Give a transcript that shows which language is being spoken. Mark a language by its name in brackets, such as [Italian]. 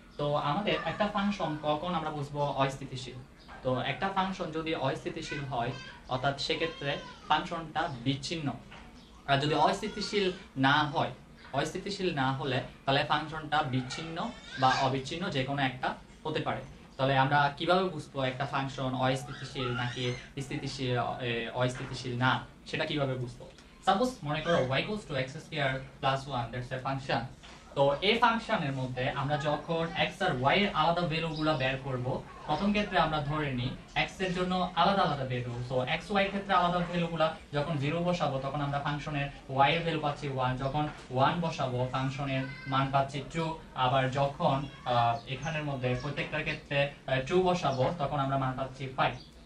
[Bangla] তো আমাদের একটা ফাংশন কখন আমরা বুঝবো অস্থিতিশীল? তো একটা ফাংশন যদি অস্থিতিশীল হয়, অর্থাৎ সেক্ষেত্রে ফাংশনটা বিচ্ছিন্ন। আর যদি অস্থিতিশীল না হয়, অস্থিতিশীল না হলে তাহলে ফাংশনটা বিচ্ছিন্ন বা অবিচ্ছিন্ন যে কোনো একটা হতে পারে। তাহলে আমরা কিভাবে বুঝবো একটা ফাংশন অস্থিতিশীল নাকি স্থিতিশীল, অস্থিতিশীল না, সেটা কিভাবে বুঝবো? [English] suppose [Bangla] মনে করো [English] y equals to x square plus 1, that's a function. [Bangla] তো এই ফাংশনের মধ্যে আমরা যখন x আর y এর আলাদা ভ্যালু গুলো বের করব, প্রথম ক্ষেত্রে আমরা ধরে নিই x এর জন্য আলাদা আলাদা ভ্যালু, তো x y এর ক্ষেত্রে আলাদা ভ্যালু গুলা যখন 0 বসাবো তখন আমরা ফাংশনের y এর ভ্যালু পাচ্ছি 1, যখন 1 বসাবো ফাংশনের মান পাচ্ছি 2, আবার যখন এখানের মধ্যে প্রত্যেকটার ক্ষেত্রে 2 বসাবো তখন আমরা মান পাচ্ছি 5।